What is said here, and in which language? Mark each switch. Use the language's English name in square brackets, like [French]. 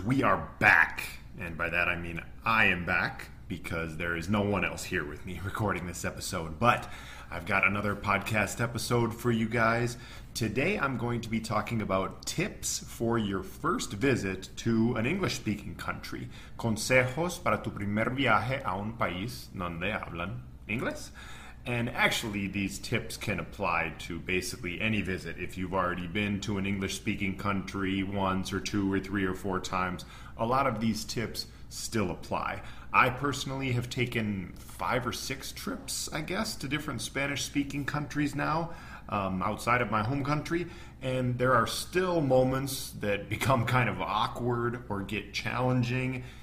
[English] We are back. And by that I mean I am back, because there is no one else here with me recording this episode. But I've got another podcast episode for you guys. Today I'm going to be talking about tips for your first visit to an English-speaking country. [Spanish] Consejos para tu primer viaje a un país donde hablan inglés. [English] And actually, these tips can apply to basically any visit. If you've already been to an English-speaking country once or two or three or four times, a lot of these tips still apply. I personally have taken five or six trips, I guess, to different Spanish-speaking countries now, outside of my home country, and there are still moments that become kind of awkward or get challenging.